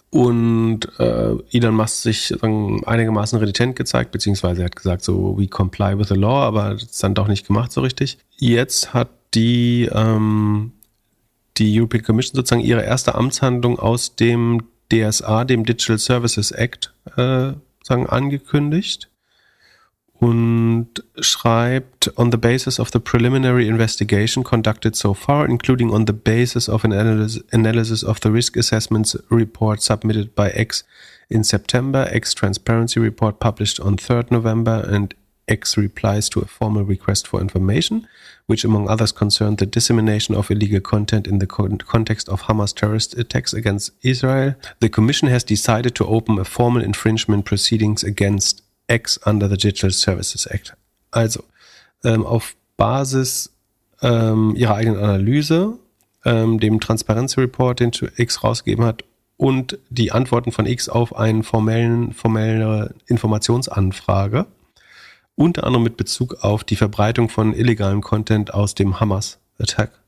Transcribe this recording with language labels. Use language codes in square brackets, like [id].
[de] Und Elon Musk sich einigermaßen renitent gezeigt, beziehungsweise er hat gesagt, [en] so we comply with the law, [de] aber das ist dann doch nicht gemacht so richtig. Jetzt hat die die European Commission sozusagen ihre erste Amtshandlung aus dem DSA, dem Digital Services Act, sozusagen angekündigt. und schreibt, [en] on the basis of the preliminary investigation conducted so far, including on the basis of an analysis of the risk assessments report submitted by X in September, X transparency report published on 3rd November, and X replies to a formal request for information, which among others concerned the dissemination of illegal content in the context of Hamas terrorist attacks against Israel, the commission has decided to open a formal infringement proceedings against X under the Digital Services Act. [de] Also, auf Basis ihrer eigenen Analyse, dem Transparency Report, den X rausgegeben hat, und die Antworten von X auf eine formelle Informationsanfrage, unter anderem mit Bezug auf die Verbreitung von illegalem Content aus dem Hamas-Attack.